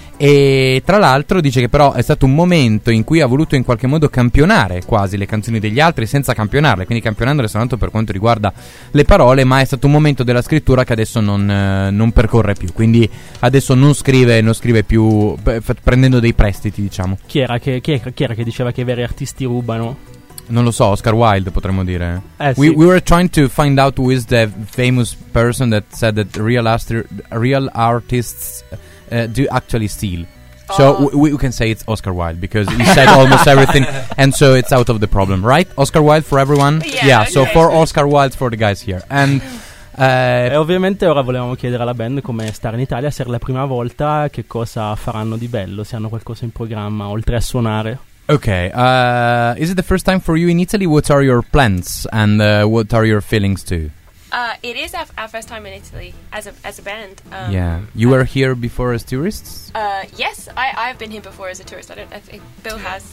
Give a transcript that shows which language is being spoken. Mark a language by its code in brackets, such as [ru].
[it] E tra l'altro dice che però è stato un momento in cui ha voluto in qualche modo campionare quasi le canzoni degli altri senza campionarle, quindi campionandole soltanto per quanto riguarda le parole, ma è stato un momento della scrittura che adesso non percorre più, quindi adesso non scrive più prendendo dei prestiti, diciamo. Chi era che diceva che i veri artisti rubano? Non lo so, Oscar Wilde potremmo dire. Sì. [en] We were trying to find out who is the famous person that said that real artists do actually steal. So we can say it's Oscar Wilde because he said almost everything, and so it's out of the problem, right? Oscar Wilde for everyone. Yeah so for Oscar Wilde for the guys here. And [it] e ovviamente ora volevamo chiedere alla band come stare in Italia, se è la prima volta, che cosa faranno di bello, se hanno qualcosa in programma oltre a suonare. [en] Okay, is it the first time for you in Italy? What are your plans and what are your feelings too? It is our first time in Italy as a band. You were here before as tourists? Yes, I've been here before as a tourist. I don't know if Bill has.